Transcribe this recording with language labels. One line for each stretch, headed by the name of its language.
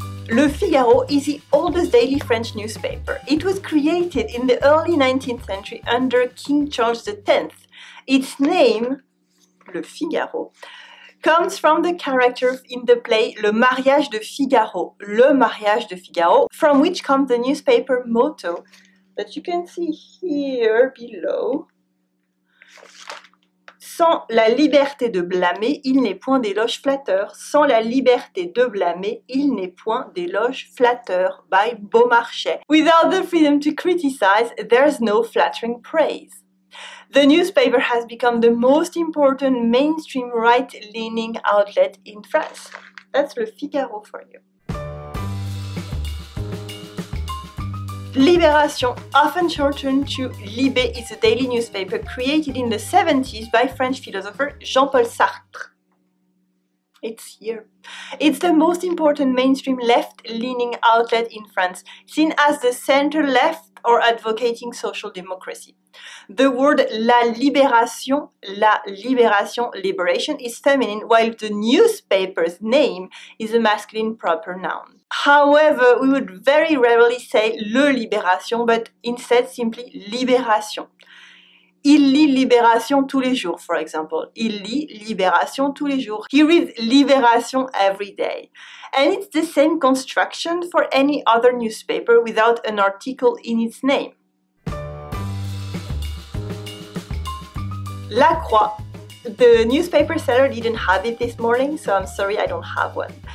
English: Le Figaro is the oldest daily French newspaper. It was created in the early 19th century under King Charles X. Its name, Le Figaro, comes from the character in the play Le Mariage de Figaro, Le Mariage de Figaro, from which comes the newspaper motto that you can see here below.
French: Sans la liberté de blâmer, il n'est point d'éloge flatteur. Sans la liberté de blâmer, il n'est point d'éloge flatteur,
English: by Beaumarchais. Without the freedom to criticize, there's no flattering praise. The newspaper has become the most important mainstream right-leaning outlet in France. That's Le Figaro for you. Libération, often shortened to Libé, is a daily newspaper created in the 70s by French philosopher Jean-Paul Sartre. It's here. It's the most important mainstream left-leaning outlet in France, seen as the center-left or advocating social democracy. The word la libération, liberation, is feminine, while the newspaper's name is a masculine proper noun. However, we would very rarely say le libération, but instead simply libération.
French: Il lit libération tous les jours,
English: for example.
French: Il lit libération tous les jours.
English: He reads libération every day. And it's the same construction for any other newspaper without an article in its name. La Croix. The newspaper seller didn't have it this morning, so I'm sorry I don't have one.